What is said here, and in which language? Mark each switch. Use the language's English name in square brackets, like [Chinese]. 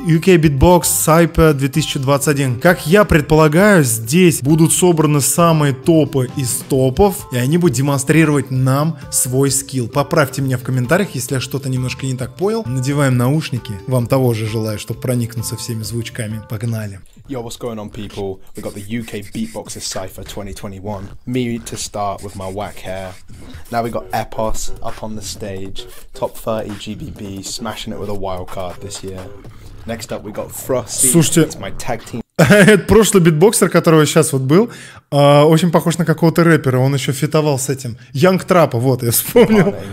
[English] UK Beatbox Cypher 2021. [Russian] Как я предполагаю, здесь будут собраны самые топы из топов, и они будут демонстрировать нам свой скилл. Поправьте меня в комментариях, если я что-то немножко не так понял. Надеваем наушники. Вам того же желаю, чтобы проникнуться всеми звучками. Погнали. [English] Yo, what's going on, people? We got the UK Beatboxer Cypher 2021. Me to start with my whack hair. Now we got Epos up on the stage. Top 30 GBB, smashing it with a wild card this year. Next up we got Frosty. [Russian] Слушайте, [English] it's my tag team. [Russian] Это прошлый битбоксер, который сейчас вот был, очень похож на какого-то рэпера. Он еще фитовал с этим. Young Trap, вот, я вспомнил.